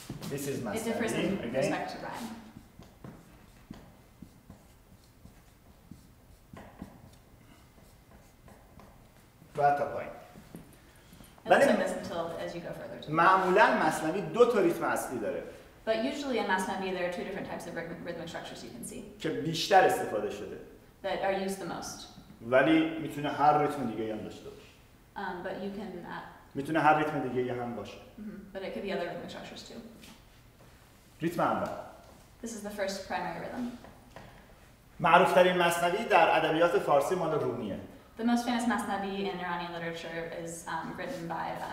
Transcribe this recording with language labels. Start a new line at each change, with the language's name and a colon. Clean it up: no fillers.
English: This is مثنوی. It differs in respect to rhyme.
Persian: بعد تا پایین. ولی معمولا مثنوی دو تا ریتم اصلی داره.
English: But usually in مثنوی there are two different types of rhythmic structures you can see.
Persian: که بیشتر استفاده شده.
English: That are used the most.
Persian: ولی میتونه هر ریتم دیگه هم داشته باشه.
English: But you can
Persian: میتونه هر ریتم دیگه یه هم باشه.
English: But it could be other rhythmic structures too.
Persian: ریتم اول.
English: This is the first primary rhythm.
Persian: معروف ترین مثنوی در ادبیات فارسی مال رومیه.
English: The most famous مثنوی in Iranian literature is written by